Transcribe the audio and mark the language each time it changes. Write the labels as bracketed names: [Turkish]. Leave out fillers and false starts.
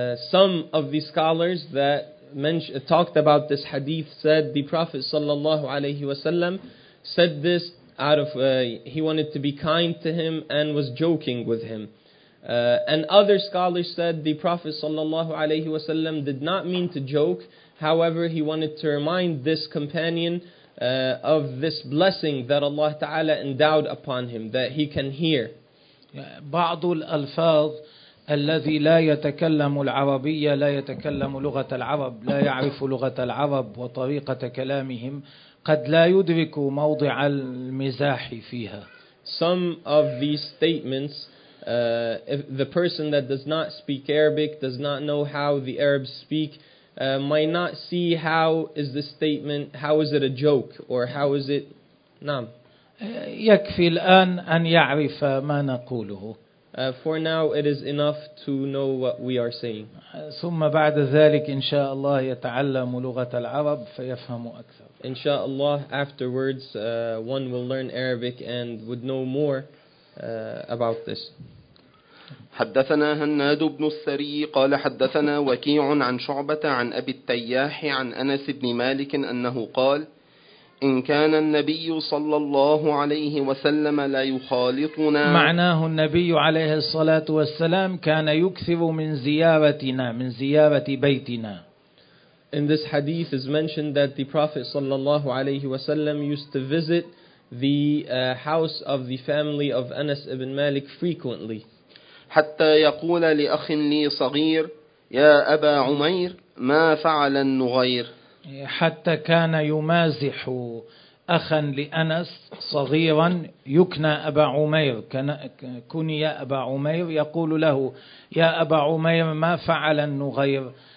[English] Some of the scholars that talked about this hadith said the Prophet [Arabic] sallallahu alayhi wasallam [English] said this out of, he wanted to be kind to him and was joking with him. And other scholars said the Prophet [Arabic] sallallahu alayhi wasallam [English] did not mean to joke. However, he wanted to remind this companion of this blessing that Allah Ta'ala endowed upon him, that he can hear. [Arabic] بعض الألفاظ الذي لا يتكلم العربية لا يتكلم لغة العرب لا يعرف لغة العرب وطريقة كلامهم قد لا يدرك موضع المزاح فيها. [English] Some of these statements, if the person that does not speak Arabic, does not know how the Arabs speak, might not see how is the statement, how is it a joke, or how is it, [Arabic] نعم. يكفي الآن أن يعرف ما نقوله. [English] For now, it is enough to know what we are saying. [Arabic] ثم بعد ذلك إن شاء الله يتعلم لغة العرب فيفهم أكثر. إن شاء الله, [English] afterwards, one will learn Arabic and would know more about this. [Arabic] حدثنا هناد بن السري قال حدثنا وكيع عن شعبة عن أبي التياح عن أنس بن مالك أنه قال إن كان النبي صلى الله عليه وسلم لا يخالطنا, معناه النبي عليه الصلاة والسلام كان يكثر من زيارتنا من زيارة بيتنا. [English] In this hadith is mentioned that the Prophet [Arabic] صلى الله عليه وسلم [English] used to visit the house of the family of Anas ibn Malik frequently. [Arabic] حتى يقول لأخ لي صغير يا أبا عمير ما فعل النغير. حتى كان يمازح أخا لأنس صغيرا يكنى أبا عمير, كني أبا عمير, يقول له يا أبا عمير ما فعل النغير.